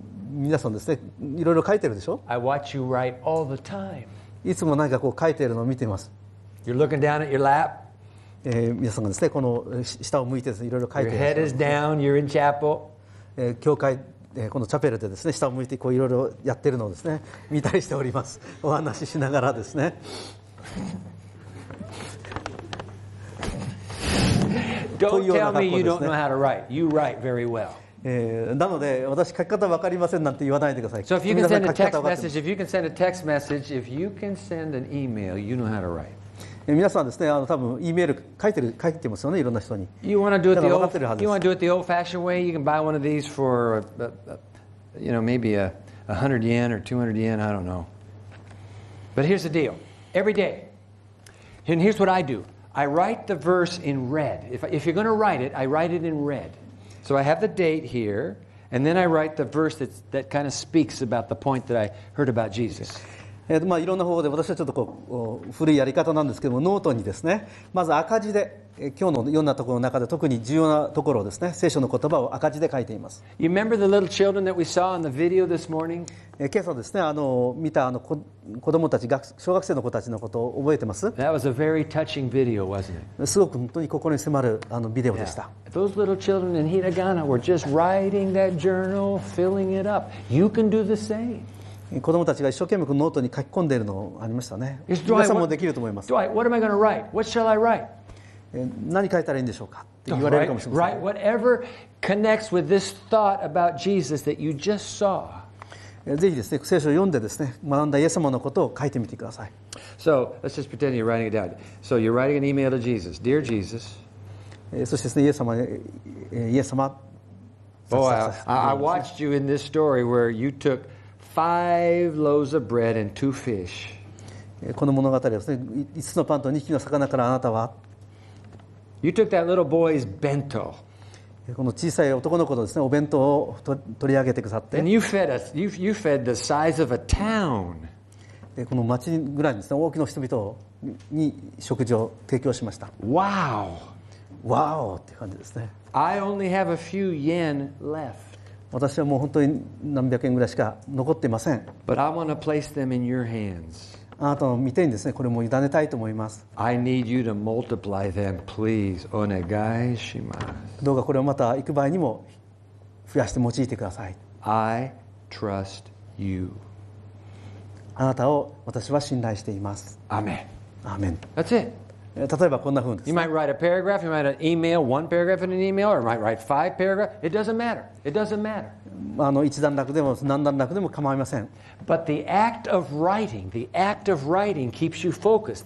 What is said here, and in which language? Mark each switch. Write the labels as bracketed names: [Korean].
[Japanese] 皆さんですね、いろいろ書いてるでしょ。 [English] I watch you write all the time. [Japanese] いつも何かこう書いてるのを見ています。 [English] You're looking down at your lap. [Japanese] 皆さんがですね、この下を向いてですね、いろいろ書いてる。 [English] Your head is down. You're in chapel. [Japanese] 教会このチャペルでですね、下を向いてこういろいろやってるのをですね、見たりしております。お話ししながらですね。 [English] Don't tell me you don't know how to write. You write very well. [Japanese] なので私書き方わかりませんなんて言わないでください。 [English] So if you can send a text message, if you can send a text message, if you can send an email, you know how to write. [Japanese] 皆さんですね、多分 E メール書いてますよね、いろんな人に。 [English] You want to do it the old-fashioned way? You can buy one of these for, you know, maybe $100 yen or $200 yen. I don't know. But here's the deal. Every day, and here's what I do. I write the verse in red. If you're going to write it, I write it in red. So I have the date here, and then I write the verse that kind of speaks about the point that I heard about Jesus. [Japanese] まあ、いろんな方法で私はちょっとこう古いやり方なんですけども、ノートにですね、まず赤字で今日のいろんなところの中で特に重要なところをですね、聖書の言葉を赤字で書いています。 [English] You remember the little children that we saw in the video this morning? [Japanese] 今朝ですね、見た子供たち、小学生の子たちのことを覚えてます？ [English] That was a very touching video, wasn't it? [Japanese] すごく本当に心に迫るビデオでした。 [English] Yeah. Those little children in Hiragana were just writing that journal, filling it up. You can do the same. [Japanese] 子供たちが一生懸命ノートに書き込んでいるのありましたね。皆さんもできると思います。 [English] Dwight, what am I going to write? What shall I write? [Japanese] 何書いたらいいんでしょうかって言われるかもしれません。 [English] Write whatever connects with this thought about Jesus that you just saw. [Japanese] ぜひですね、聖書を読んでですね、学んだイエス様のことを書いてみてください。 [English] So let's just pretend you're writing it down. So you're writing an email to Jesus. Dear Jesus. [Japanese] そしてですね、イエス様 [English] Boy, I watched you in this story where you took5 loaves of bread and 2 fish. [Japanese] この物語ですね、5つのパンと2匹の魚からあなたは。 [English] You took that little boy's bento. [Japanese] この小さい男の子のですね、お弁当を取り上げてくださって。 [English] And you fed us. You fed the size of a town. [Japanese] この町ぐらいですね、大きな人々に食事を提供しました。 [English] Wow. [Japanese] Wow. って感じですね。 [English] I only have a few yen left. [Japanese] 私はもう本当に何百円ぐらいしか残っていません。 [English] But I want to place them in your hands. [Japanese] あなたの御手にですね、これも委ねたいと思います。 [English] I need you to multiply them, please. [Japanese] お願いします。どうかこれをまた行く場合にも増やして用いてください。 [English] I trust you. [Japanese] あなたを私は信頼しています。 [English] Amen. Amen. That's it. [Japanese] 例えばこんな風です。 [English] You might write a paragraph, you might email one paragraph in an email, or you might write five paragraphs. It doesn't matter. It doesn't matter. [Japanese] 一段落でも何段落でも構いません。 [English] But the act of writing keeps you focused.